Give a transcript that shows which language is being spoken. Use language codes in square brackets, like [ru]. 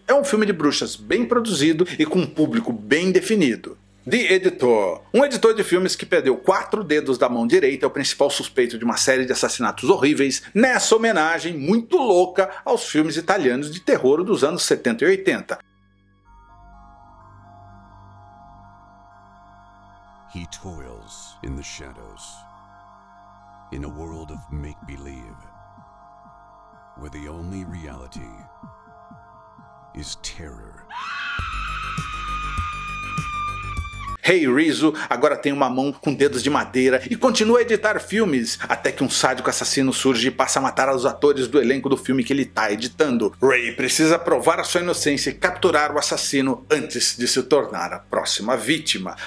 [pt] É um filme de bruxas bem produzido e com um público bem definido. The Editor. Um editor de filmes que perdeu quatro dedos da mão direita é o principal suspeito de uma série de assassinatos horríveis, nessa homenagem muito louca aos filmes italianos de terror dos anos 70 e 80. [en] He toils in the shadows, in a world of make-believe, where the only reality is terror. [pt] Hey Rizzo agora tem uma mão com dedos de madeira e continua a editar filmes, até que um sádico assassino surge e passa a matar os atores do elenco do filme que ele está editando. Ray precisa provar a sua inocência e capturar o assassino antes de se tornar a próxima vítima.